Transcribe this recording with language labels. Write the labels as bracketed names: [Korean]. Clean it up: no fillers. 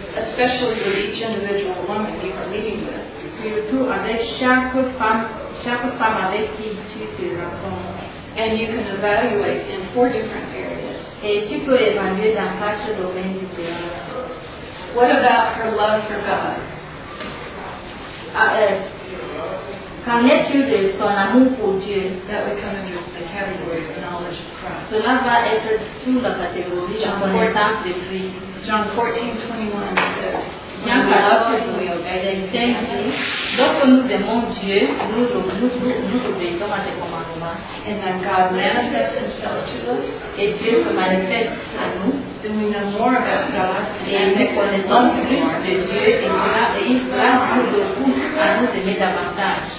[English] Especially with each individual woman you are meeting with. [French] Surtout avec chaque femme avec qui tu te rencontres. [English] And you can evaluate in four different areas. [French] Et tu peux évaluer dans quatre domaines différents. [English] What about her love for God? [French] Qu'en est-il de son amour pour Dieu? [English] That would come under the category of knowledge of Christ. [French] Cela va être sous la catégorie de connaissance de Christ. [English] John 14:21 says, "When we love Him, we obey Him." [French] Lorsque nous aimons Dieu, nous obéissons à ses commandements. [English] And then God manifests Himself to us. [French] Et Dieu se manifeste à nous. [English] Then we know more about God. [French] Et nous connaissons plus de Dieu et il sera plus de vous à nous aimer davantage.